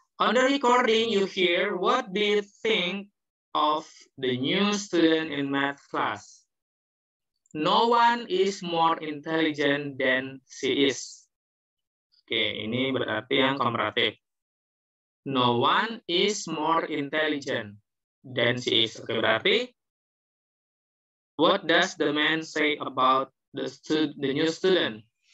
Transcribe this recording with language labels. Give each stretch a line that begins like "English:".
English: On the recording you hear, what do you think of the new student in math class? No one is more intelligent than she is.
Indonesian: Oke, ini berarti yang komparatif.
English: No one is more intelligent than she is.
Indonesian: Oke, berarti
English: what does the man say about the new student?